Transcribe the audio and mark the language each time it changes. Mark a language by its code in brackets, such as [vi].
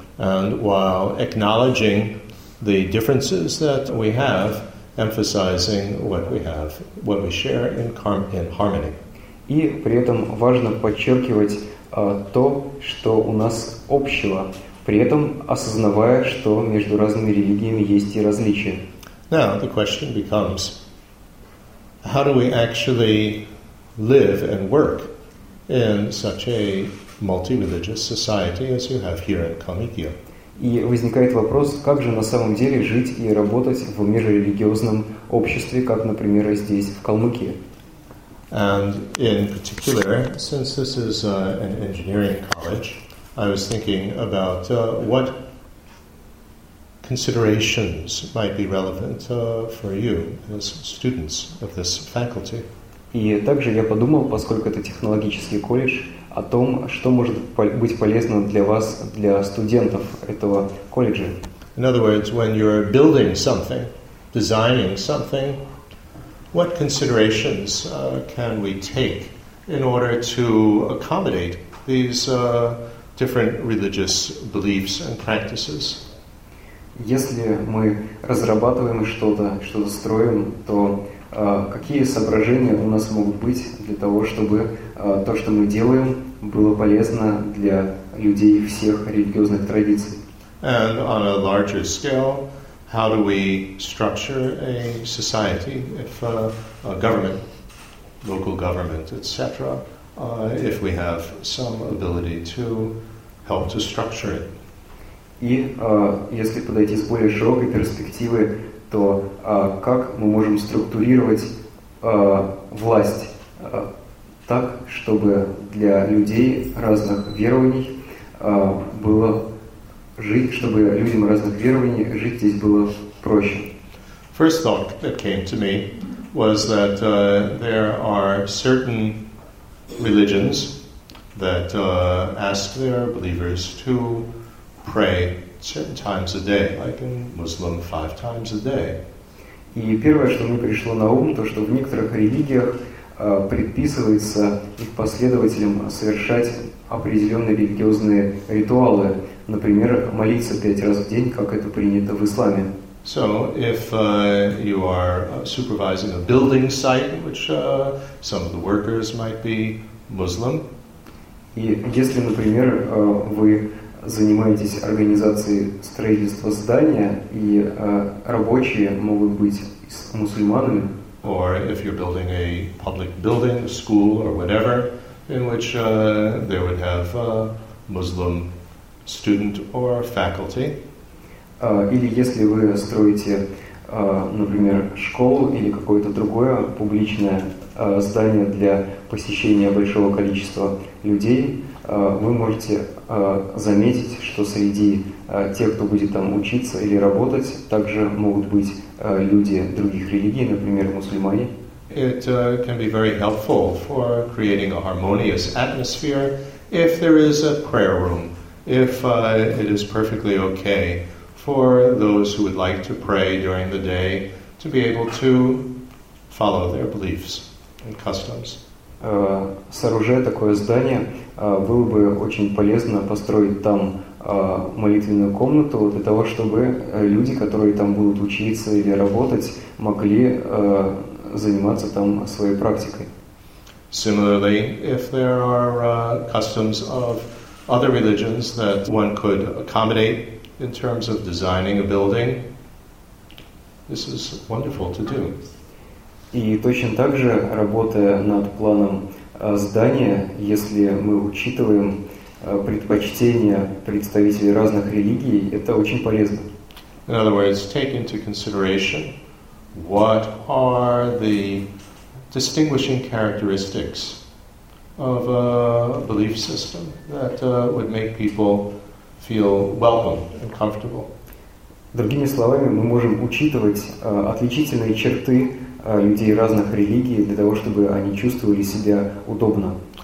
[en] And while acknowledging the differences that we have, emphasizing what we have, what we share in harmony. [ru] И при этом важно подчеркивать то, что у нас общего, при этом осознавая, что между разными религиями есть и различия. [en] Now, the question becomes, how do we actually live and work in such a multi-religious society as you have here in Kamikia? [ru] И возникает вопрос, как же на самом деле жить и работать в межрелигиозном обществе, как, например, здесь, в Калмыкии? [en] And in particular, since this is an engineering college, I was thinking about what considerations might be relevant for you as students of this faculty. [ru] И также я подумал, поскольку это технологический колледж, о том, что может быть полезно для вас, для студентов этого колледжа. [en] In other words, when you're building something, designing something, what considerations can we take in order to accommodate these different religious beliefs and practices? [ru] Если мы разрабатываем что-то, что-то строим, то какие соображения у нас могут быть для того, чтобы то, что мы делаем, было полезно для людей всех религиозных традиций? [en] And on a larger scale, how do we structure a society if a government, local government, etc., if we have some ability to help to structure it? [ru] И если подойти с более широкой перспективы, то как мы можем структурировать власть, так, чтобы для людей разных верований было жить, чтобы людям разных верований жить здесь было проще. [en] First thought that came to me was that there are certain religions that ask their believers to pray certain times a day, like in Muslim, 5 times a day. [ru] И первое, что мне пришло на ум, то, что в некоторых религиях предписывается их последователям совершать определенные религиозные ритуалы, например, молиться 5 раз в день, как это принято в исламе. [en] So, if you are supervising a building site, which some of the workers might be Muslim. [ru] И если, например, вы занимаетесь организацией строительства здания, и рабочие могут быть мусульманами. [en] Or if you're building a public building, a school, or whatever, in which they would have a Muslim student or faculty. [ru] Или если вы строите, например, школу или какое-то другое публичное здание для посещения большого количества людей, вы можете заметить, что среди тех, кто будет там учиться или работать, также могут быть люди других религий, например, мусульмане. [en] It can be very helpful for creating a harmonious atmosphere if there is a prayer room, if it is perfectly okay for those who would like to pray during the day to be able to follow their beliefs and customs. [ru] Сооружая такое здание, было бы очень полезно построить там молитвенную комнату для того, чтобы люди, которые там будут учиться или работать, могли заниматься там своей практикой. [en] Similarly, if there are customs of other religions that one could accommodate in terms of designing a building, this is wonderful to do. [ru] И точно так же, работая над планом здания, если мы учитываем предпочтения представителей разных религий, это очень полезно. [en] In other words, take into consideration what are the distinguishing characteristics of a belief system that would make people feel welcome and comfortable. [ru] Другими словами, мы можем учитывать отличительные черты людей разных религий для того, чтобы они чувствовали себя удобно.